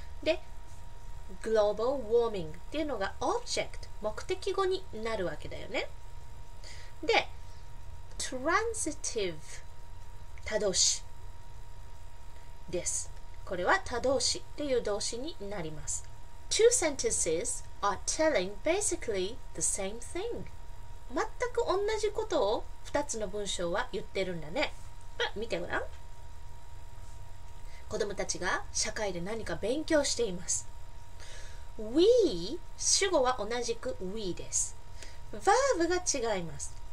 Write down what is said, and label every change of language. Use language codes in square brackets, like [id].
[ja] で、Global Warming っていうのが Object 目的語になるわけだよね。で、Transitive 他動詞です。これは他動詞っていう動詞になります。 [en] Two sentences are telling basically the same thing。 [ja] 全く同じことを2つの文章は言ってるんだね。見てごらん。子供たちが社会で何か勉強しています。We、 主語は同じく We です。 Verb が違います。